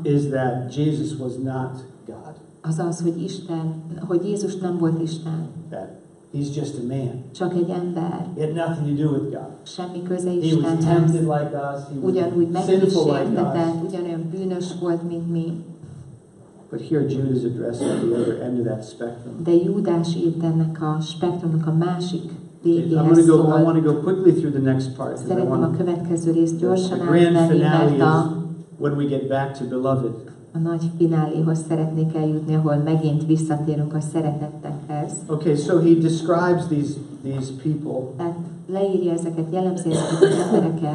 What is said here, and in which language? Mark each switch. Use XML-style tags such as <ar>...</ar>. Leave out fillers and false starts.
<en>is that Jesus was not God.</en> <hu>Azaz, hogy Isten, hogy Jézus nem volt Isten.</hu> <en>That he's just a man.</en> <hu>Csak egy ember.</hu> <en>He had nothing to do with God.</en> <hu>Semmi köze Istenhez.</hu> <en>He was tempted like us. He</en> <hu>ugyanúgy</hu> <en>was sinful like us.</en> <hu>Ugyanolyan bűnös volt, mint mi.</hu> <en>But here Jude is addressing the other end of that spectrum.</en> <hu>De Júdás írt ennek a spektrumnak a másik végéhez.</hu> <en>I'm going to go. I want to go quickly through the next part.</en> <hu>Szeretném a következő részt gyorsan átvenni, mert a</hu> <en>when we get back to beloved.</en> <hu>A nagy fináléhoz szeretnék eljutni, ahol megint visszatérünk a szeretettekhez.</hu> <en>Okay, so he describes these people.</en> <hu>Tehát leírja ezeket, jellemzi ezeket az embereket.</hu>